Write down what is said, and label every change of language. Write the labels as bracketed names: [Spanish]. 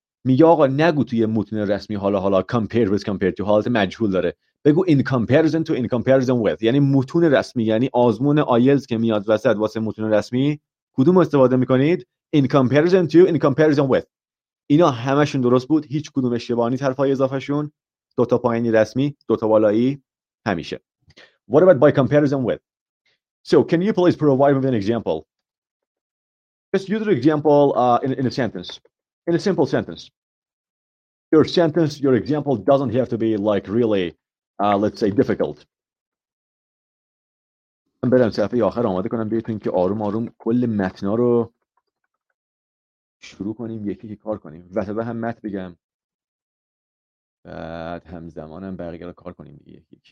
[Persian] میگه آقا نگو توی متن رسمی حالا [English] compare with، compare to، [Persian] حالت مجهول داره، بگو [English] in comparison to، in comparison with. [Persian] یعنی متن رسمی، یعنی آزمون آیلتس که میاد وسط واسه متن رسمی، کدوم استفاده میکنید؟ [English] in comparison to، in comparison with. [Persian] اینا همشون درست بود، هیچ کدوم اشتباه نیست، حرفای اضافهشون، دوتا پایینی رسمی، دوتا بالایی همیشه. [English] What about by comparison with؟ So can you please provide me with an example؟ Just use the example in a sentence. In a simple sentence. Your sentence, your example doesn't have to be like really, let's say, difficult. [Persian] من برم صفحه آخر آماده کنم بهتون که آروم آروم کل متنا رو شروع کنیم، یکی که کار کنیم. وسط هم مت بگم. بعد همزمان هم بقیه رو کار کنیم.